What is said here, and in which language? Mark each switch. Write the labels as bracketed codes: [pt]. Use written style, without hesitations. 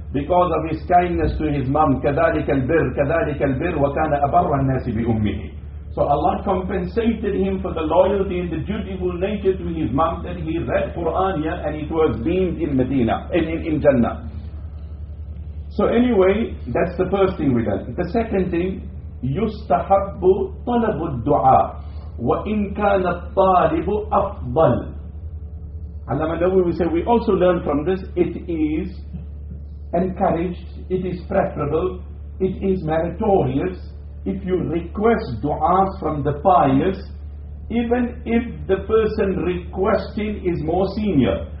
[en] Because of his kindness to his mom. [ar] كَذَلِكَ الْبِرْ وَكَانَ أَبَرَّ النَّاسِ بِأُمِّهِ. [en] So Allah compensated him for the loyalty and the dutiful nature to his mom that he read Quran here and it was being in Medina, in Jannah. So anyway, that's the first thing we done. The second thing, [ar] يُسْتَحَبُّ طَلَبُ الدُّعَى وَإِنْ كَانَ الطَّالِبُ أَفْضَلُ. [en] Allama Nawawi, we say, we also learn from this, it is encouraged, it is preferable, it is meritorious, if you request du'as from the pious, even if the person requesting is more senior.